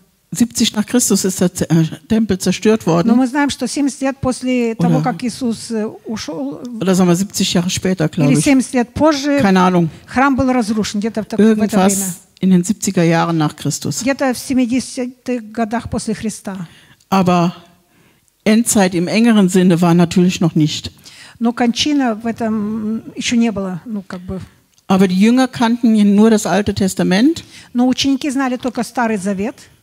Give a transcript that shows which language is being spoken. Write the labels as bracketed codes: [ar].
[de] 70 nach Christus ist der Tempel zerstört worden. [ru] Но мы знаем, что 70 лет после того, как Иисус ушел, [de] oder sagen wir 70 Jahre später, glaube ich. [ru] 70 лет позже, [de] keine Ahnung. [ru] Храм был разрушен где-то в это время. [de] Irgendwas in den 70er Jahren nach Christus. [ru] Где-то в 70-х годах после Христа. [de] Aber Endzeit im engeren Sinne war natürlich noch nicht. [ru] Но кончина в этом еще не было, ну как бы. [de] Aber die Jünger kannten nur das Alte Testament. [ru] Но ученики знали только Старый Завет.